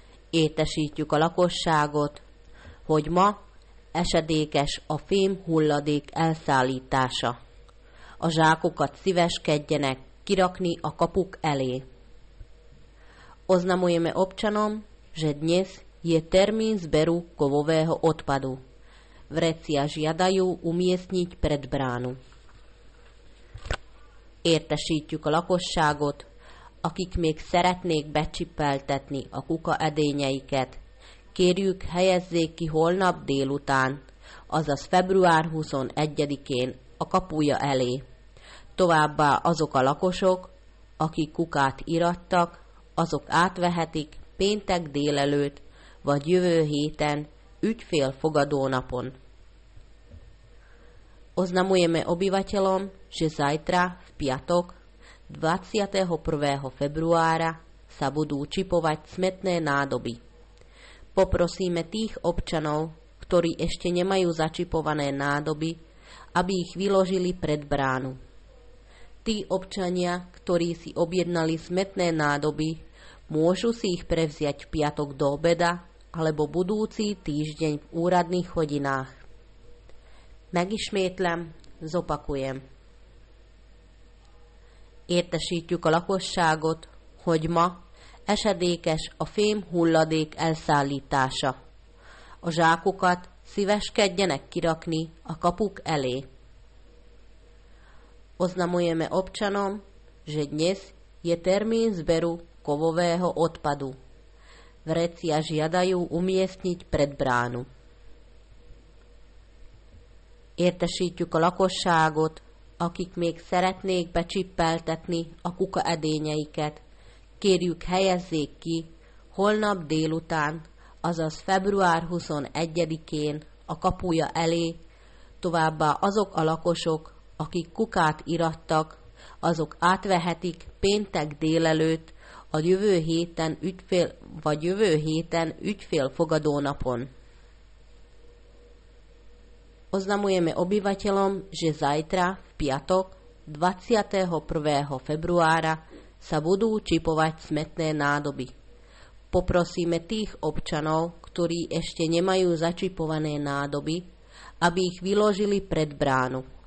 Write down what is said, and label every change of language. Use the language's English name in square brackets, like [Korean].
[Hungarian] Étesítjük a lakosságot, hogy ma esedékes a fém hulladék elszállítása. A zsákokat szíveskedjenek kirakni a kapuk elé. [Slovak] Oznamujeme občanom, že dnes je termín zberu kovového odpadu. Vrecia žiadajú umiestniť pred bránu. [Hungarian] Értesítjük a lakosságot, akik még szeretnék becsipeltetni a kuka edényeiket. Kérjük, helyezzék ki holnap délután, azaz február 21-én a kapuja elé. Továbbá azok a lakosok, akik kukát irattak, azok átvehetik péntek délelőtt, vagy jövő héten, ügyfél fogadó napon. [Slovak] Oznamujeme obyvateľom, že zajtra v piatok 21. februára sa budú čipovať smetné nádoby. Poprosíme tých občanov, ktorí ešte nemajú začipované nádoby, aby ich vyložili pred bránu. Tí občania, ktorí si objednali smetné nádoby, môžu si ich prevziať v piatok do obeda alebo budúci týždeň v úradných hodinách. [Hungarian] Megismétlem, [Slovak] zopakujem. [Hungarian] Értesítjük a lakosságot, hogy ma esedékes a fém hulladék elszállítása. A zsákokat szíveskedjenek kirakni a kapuk elé. [Slovak] Oznamujeme občanom, že dnes je termín zberu kovového odpadu. Vrecia žiadajú umiestniť pred bránu. [Hungarian] Értesítjük a lakosságot, akik még szeretnék becsippeltetni a kuka edényeiket. Kérjük, helyezzék ki holnap délután, azaz február 21-én a kapuja elé, továbbá azok a lakosok, akik kukát irattak, azok átvehetik péntek délelőtt, a jövő héten ügyfél, vagy jövő héten ügyfél fogadó napon. [Slovak] Oznamujeme obyvateľom, že zajtra, v piatok, 21. februára, sa budú čipovať smetné nádoby. Poprosíme tých občanov, ktorí ešte nemajú začipované nádoby, aby ich vyložili pred bránu.